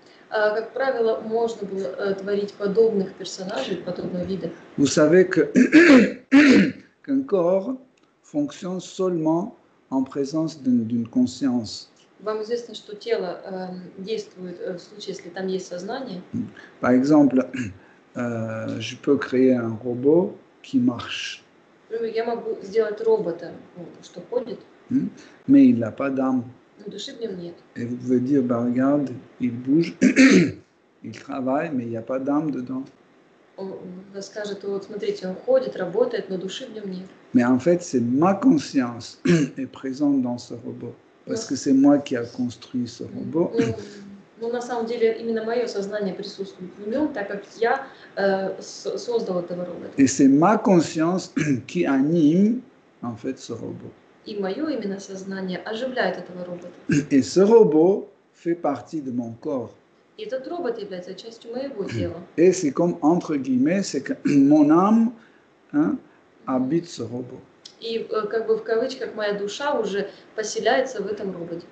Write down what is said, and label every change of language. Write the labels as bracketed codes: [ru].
[ru] Как правило, можно было творить подобных персонажей, подобного вида. [fr] Vous savez que qu'un corps fonctionne seulement en présence d'une conscience. [ru] Вам известно, что тело действует в случае, если там есть сознание? [fr] Par exemple, je peux créer un robot qui marche. [ru] Я могу сделать робота, что ходит. [fr] Mais il n'a pas d'âme. [ru] Души в нем нет. [fr] Et vous pouvez dire, bah, regarde, il bouge, il travaille, mais il n'y a pas d'âme dedans. [ru] Он скажет, вот смотрите, он ходит, работает, но души в нем нет. [fr] Mais en fait, c'est ma conscience est présente dans ce robot. Parce que c'est moi qui a construit ce robot. [ru] Ну, на самом деле, именно мое сознание присутствует в нем, так как я создал этого робота. [fr] Et c'est ma conscience qui anime en fait ce robot. [ru] И моё именно сознание оживляет этого робота. [fr] Et ce robot fait partie de mon corps. [ru] И этот робот является частью моего тела. [fr] Et c'est comme entre guillemets, c'est que mon âme hein, habite ce robot. [ru] И как бы в кавычках моя душа уже поселяется в этом роботе.